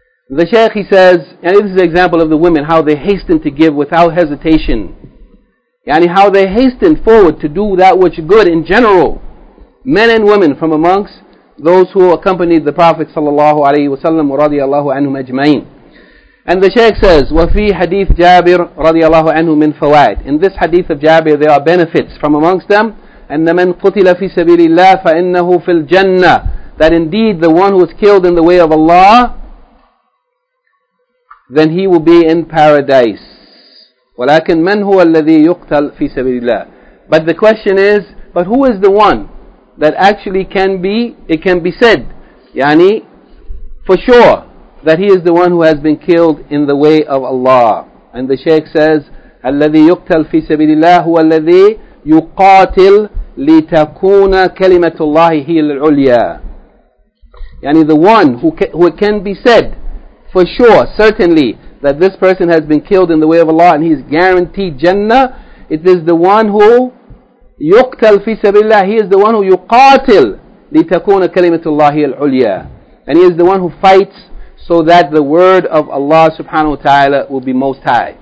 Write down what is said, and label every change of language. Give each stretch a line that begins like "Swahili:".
English: The Shaykh, he says, and this is an example of the women, how they hastened to give without hesitation. Yani how they hastened forward to do that which good in general. Men and women from amongst those who accompanied the Prophet sallallahu alayhi wa sallam wa radiallahu anhum ajma'in. And the Shaykh says,
Arabic: وَفِي حَدِيثِ جَابِرْ رَضِيَ اللَّهُ عَنْهُ مِنْ فَوَائِدِ.
English: In this hadith of Jabir, there are benefits from amongst them.
Arabic: أَنَّ مَنْ قُتِلَ فِي سَبِيلِ اللَّهِ فَإِنَّهُ فِي الْجَنَّةِ.
English: That indeed the one who is killed in the way of Allah, then he will be in paradise.
Arabic: وَلَكِنْ مَنْ هُوَ الَّذِي يُقْتَلْ فِي سَبِيلِ اللَّهِ.
English: But the question is, but who is the one that actually can be, it can be said, yani, for sure, that he is the one who has been killed in the way of Allah. And the Shaykh says,
Arabic: الَّذِي يُقْتَلْ فِي سَبِيلِ اللَّهِ هُوَ الَّذِي يُقَاتِلْ لِتَكُونَ كَلِمَةُ اللَّهِ هِيَ الْعُلْيَا.
English: Yani the one who can be said for sure, certainly, that this person has been killed in the way of Allah and he is guaranteed Jannah, it is the one who
Arabic: يُقْتَلْ فِي سَبِيلِ اللَّهِ,
English: he is the one who
Arabic: يُقَاتِلْ لِتَكُونَ كَلِمَةُ اللَّهِ الْعُلْيَا,
English: and he is the one who fights so that the word of Allah subhanahu wa ta'ala will be most high.